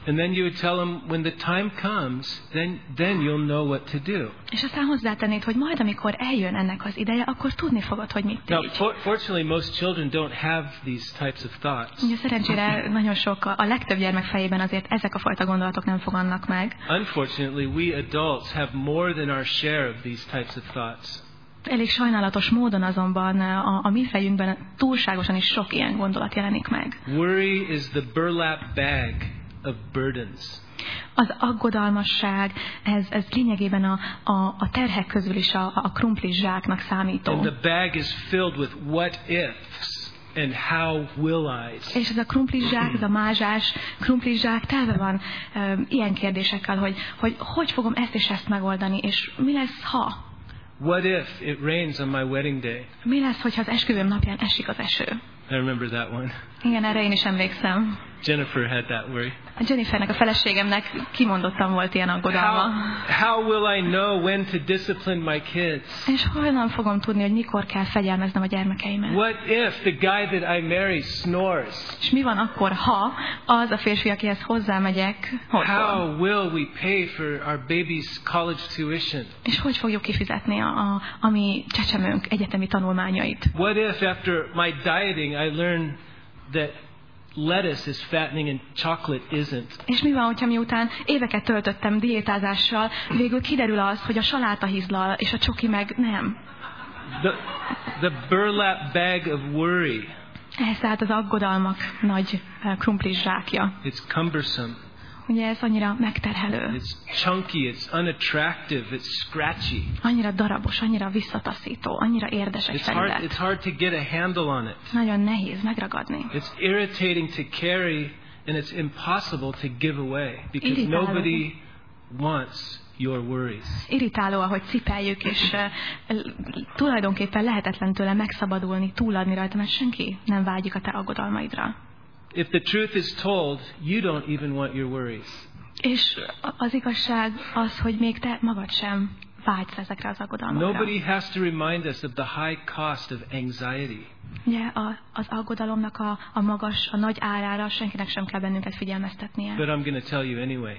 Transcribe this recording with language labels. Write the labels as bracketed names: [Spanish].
[English] And then you would tell him when the time comes, then you'll know what to do. [Hungarian] És aztán hozzátennéd, hogy majd amikor eljön ennek az ideje, akkor tudni fogod, hogy mit tégy. [English] Now, fortunately, most children don't have these types of thoughts. [Hungarian] Ugye szerencsére nagyon sok, a legtöbb gyermek fejében azért ezek a fajta gondolatok nem fogannak meg. [English] Unfortunately, we adults have more than our share of these types of thoughts. [Hungarian] Elég sajnálatos módon azonban a mi fejünkben túlságosan is sok ilyen gondolat jelenik meg. [English] Worry is the burlap bag of burdens. [Hungarian] Az aggodalmasság, ez lényegében a terhek közül is a krumpli zsáknak számító. [English] And the bag is filled with what ifs. And how will I? [Hungarian] És ez a krumpli zsák, ez a mázsás krumpli zsák telve van ilyen kérdésekkel, hogy fogom ezt és ezt megoldani, és mi lesz ha? [English] What if it rains on my wedding day? [Hungarian] Mi lesz, hogyha az esküvőm napján esik az eső? [English] I remember that one. [Hungarian] Igen, erre én is emlékszem. [English] Jennifer had that worry. [Hungarian] Jennifernek, a feleségemnek kimondottan volt ilyen aggodalma. [English] How will I know when to discipline my kids? [Hungarian] És honnan fogom tudni, hogy mikor kell fegyelmeznem a gyermekeimet? [English] What if the guy that I marry snores? [Hungarian] És mi van akkor, ha az a férfi, akihez hozzámegyek, hozzám? [English] How will we pay for our baby's college tuition? [Hungarian] És hogy fogjuk kifizetni a mi csecsemőnk egyetemi tanulmányait? [English] What if after my dieting I learn that lettuce is fattening and chocolate isn't. [Hungarian] És mi van, hogyha miután éveket töltöttem diétázással, végül kiderül az, hogy a saláta hízlal, és a csoki meg nem. [English] The burlap bag of worry. [Hungarian] Ez tehát az aggodalmak nagy krumplis zsákja. [English] It's cumbersome. [Hungarian] Ugye ez annyira megterhelő. [English] It's chunky, it's unattractive, it's scratchy. [Hungarian] Annyira darabos, annyira visszataszító, annyira érdes egy felület. [English] It's hard to get a handle on it. [Hungarian] Nagyon nehéz megragadni. [English] It's irritating to carry and it's impossible to give away because [Hungarian] irritáló. [English] Nobody wants your worries. [Hungarian] Irritáló, ahogy cipeljük, és tulajdonképpen lehetetlen tőle megszabadulni, túladni rajta, mert senki nem vágyik a te aggodalmaidra. [English] If the truth is told, you don't even want your worries. [Hungarian] És az igazság az, hogy még te magad sem vágysz ezekre az aggodalmakra. [English] Nobody has to remind us of the high cost of anxiety. [Hungarian] Ugye az aggodalomnak a magas, a nagy árára senkinek sem kell bennünket figyelmeztetnie. [English] But I'm going to tell you anyway.